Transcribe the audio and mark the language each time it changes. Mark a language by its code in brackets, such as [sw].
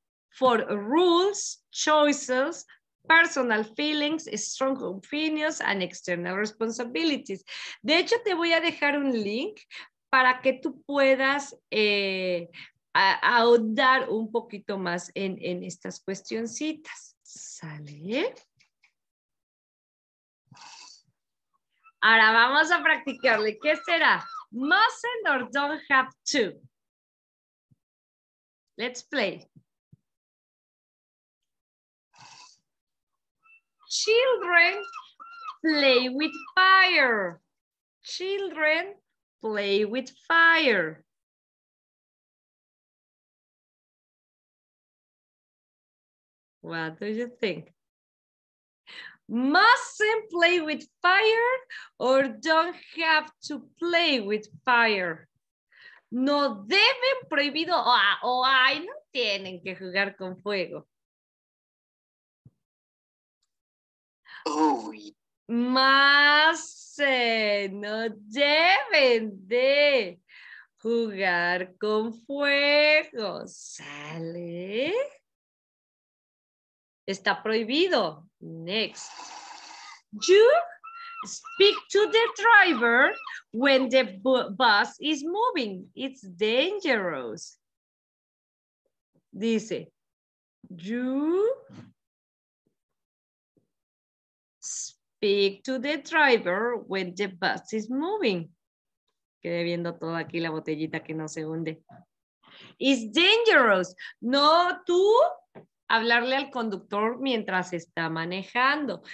[en] For rules, choices, personal feelings, strong opinions, and external responsibilities. [es] De hecho, te voy a dejar un link para que tú puedas ahondar un poquito más en estas cuestioncitas. ¿Sale? Ahora vamos a practicarle. ¿Qué será? [en] Mustn't or don't have to. Let's play. Children play with fire. Children play with fire. What do you think? Mustn't play with fire or don't have to play with fire. [es] No deben, prohibido, o ay, no tienen que jugar con fuego. Uy. Mustn't, no deben de jugar con fuego. ¿Sale? Está prohibido. [en] Next. You speak to the driver when the bus is moving. It's dangerous. [es] Dice, [en] you speak to the driver when the bus is moving. [es] Quedé viendo todo aquí, la botellita que no se hunde. [en] It's dangerous. [es] No, tú hablarle al conductor mientras está manejando.